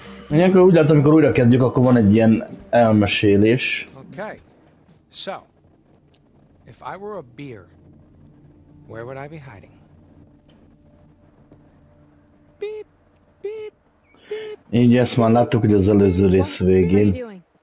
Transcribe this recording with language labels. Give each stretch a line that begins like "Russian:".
Hungarian: Ilyenkor úgy látom, amikor újra kezdjük, akkor van egy ilyen elmesélés.
English: Okay. So, if I were a beer, where would I be hiding? Beep, beep, beep.
Hungarian: Így ezt már láttuk, hogy az előző rész végén.